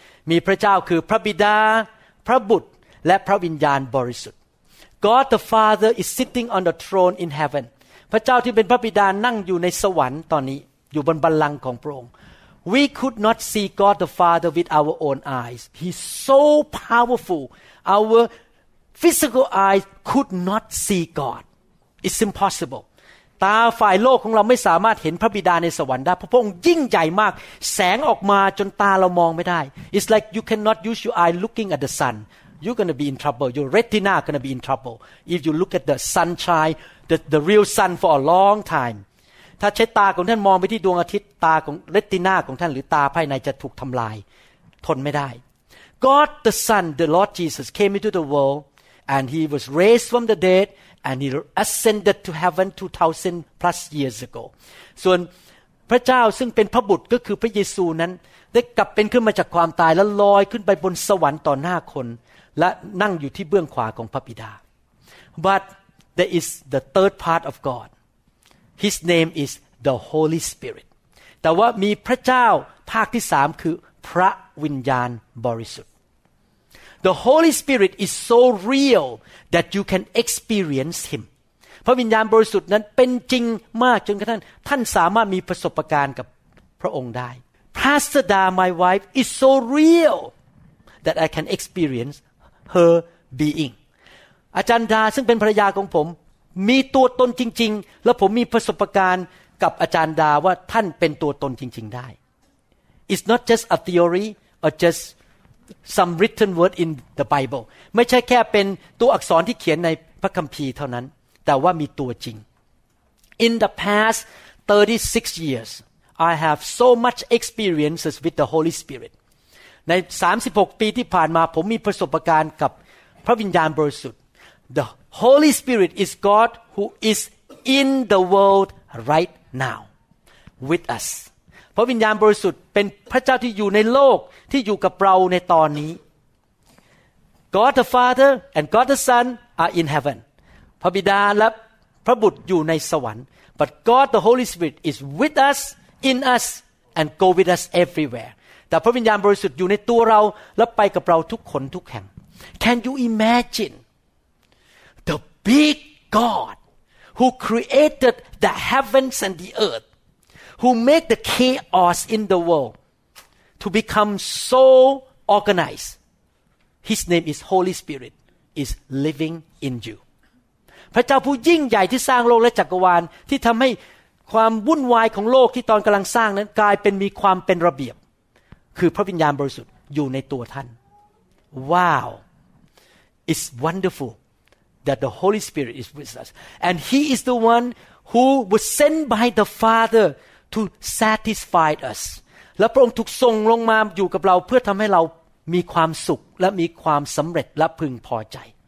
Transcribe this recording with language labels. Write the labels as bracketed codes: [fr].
[th] มีพระเจ้าคือพระบิดาพระบุตรและพระวิญญาณบริสุทธิ์ [en] God the Father is sitting on the throne in heaven [th] พระเจ้าที่เป็นพระบิดานั่งอยู่ในสวรรค์ตอนนี้อยู่บนบัลลังก์ของพระองค์ [en] We could not see God the Father with our own eyes He's so powerful ourPhysical eyes could not see God. It's impossible. [th] ตาฝ่ายโลกของเราไม่สามารถเห็นพระบิดาในสวรรค์ได้เพราะพระองค์ยิ่งใหญ่มากแสงออกมาจนตาเรามองไม่ได้ [en] It's like you cannot use your eye looking at the sun. You're going to be in trouble. Your retina is going to be in trouble. If you look at the sunshine, the real sun for a long time. [th] ถ้าใช้ตาของท่านมองไปที่ดวงอาทิตย์ตาของ retina ของท่านหรือตาภายในจะถูกทำลายทนไม่ได้ [en] God the Son, the Lord Jesus came into the worldAnd he was raised from the dead, and he ascended to heaven 2,000 plus years ago. [th] ส่วนพระเจ้าซึ่งเป็นพระบุตรก็คือพระเยซูนั้นได้กลับเป็นขึ้นมาจากความตายและลอยขึ้นไปบนสวรรค์ต่อหน้าคนและนั่งอยู่ที่เบื้องขวาของพระบิดา [en] But there is the third part of God. His name is the Holy Spirit. [th] แต่ว่ามีพระเจ้าภาคที่สามคือพระวิญญาณบริสุทธิ์ [en] The Holy Spirit is so real that you can experience Him. [th] พระวิญญาณบริสุทธิ์นั้นเป็นจริงมากจนกระทั่งท่านสามารถมีประสบการณ์กับพระองค์ได้ [en] Pastor Da, my wife, is so real that I can experience her being. [th] อาจารย์ดาซึ่งเป็นภรรยาของผมมีตัวตนจริงๆและผมมีประสบการณ์กับอาจารย์ดาว่าท่านเป็นตัวตนจริงๆได้ [en] It's not just a theory or justSome written word in the Bible. [th] ไม่ใช่แค่เป็นตัวอักษรที่เขียนในพระคัมภีร์เท่านั้นแต่ว่ามีตัวจริง [en] In the past 36 years, I have so much experiences with the Holy Spirit. [th] ใน36ปีที่ผ่านมาผมมีประสบการณ์กับพระวิญญาณบริสุทธิ์ [en] The Holy Spirit is God who is in the world right now with us. [th] พระวิญญาณบริสุทธิ์เป็นพระเจ้าที่อยู่ในโลกที่อยู่กับเราในตอนนี้ [en] God the Father and God the Son are in heaven [th] พระบิดาและพระบุตรอยู่ในสวรรค์ [en] but God the Holy Spirit is with us in us and go with us everywhere [th] แต่พระวิญญาณบริสุทธิ์อยู่ในตัวเราและไปกับเราทุกคนทุกแห่ง [en] Can you imagine the big God who created the heavens and the earthwho make the chaos in the world to become so organized. His name is Holy Spirit, is living in you. [th] พระเจ้าผู้ยิ่งใหญ่ที่สร้างโลกและจักรวาลที่ทำให้ความวุ่นวายของโลกที่ตอนกำลังสร้างนั้นกลายเป็นมีความเป็นระเบียบ คือพระวิญญาณบริสุทธิ์อยู่ในตัวท่าน [en] Wow It's wonderful that the Holy Spirit is with us and he is the one who was sent by the Father to satisfy us [th] และพระองค์ถูกส่งลงมาอยู่กับเราเพื่อทำให้เรามีความสุขและมีความสำเร็จและพึงพอใจ